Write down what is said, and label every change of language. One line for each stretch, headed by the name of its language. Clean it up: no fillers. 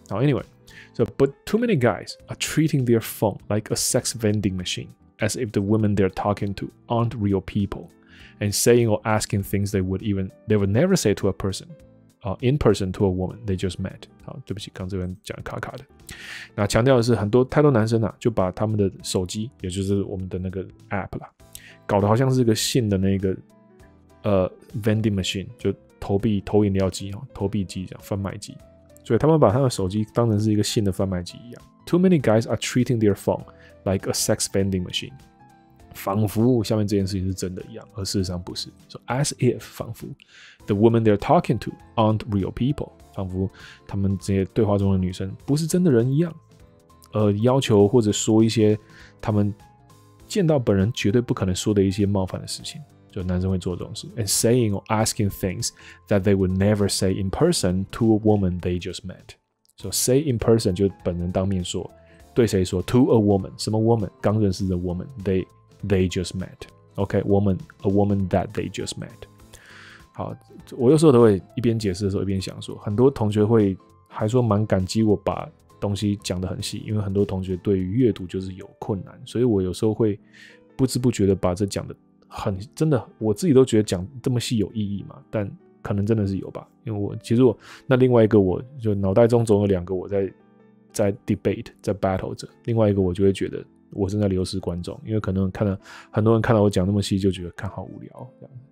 English: Now anyway, so but too many guys are treating their phone like a sex vending machine, as if the women they're talking to aren't real people. And saying or asking things they would never say to a person, in person to a woman they just met.
Chinese: 好，对不起，刚这边讲卡卡的。那强调的是，很多太多男生啊，就把他们的手机，也就是我们的那个 app 啦，搞得好像是个性的那个vending machine， 就投饮料机哈，投币机这样贩卖机。所以他们把他们的手机当成是一个性的贩卖机一样。
English: Too many guys are treating their phone like a sex vending machine.
Chinese: 仿佛下面这件事情是真的一样，而事实上不是。
English: So as if
Chinese: 仿佛
English: the women they're talking to aren't real people，
Chinese: 仿佛他们这些对话中的女生不是真的人一样，要求或者说一些他们见到本人绝对不可能说的一些冒犯的事情，就男生会做这种事。
English: And saying or asking things that they would never say in person to a woman they just met。 So say in person
Chinese: 就本人当面说，对谁说
English: ？To a woman，
Chinese: 什么
English: woman？
Chinese: 刚认识的
English: woman they just met. Okay, woman, a woman that they just met.
Chinese: 好，我有时候都会一边解释的时候一边想说，很多同学会还说蛮感激我把东西讲得很细，因为很多同学对于阅读就是有困难，所以我有时候会不知不觉的把这讲得很，真的，我自己都觉得讲这么细有意义嘛，但可能真的是有吧，因为我其实我那另外一个我就脑袋中总有两个我在 debate， 在 battle 着，另外一个我就会觉得我正在流失观众，因为可能看到很多人看到我讲那么细就觉得看好无聊这样。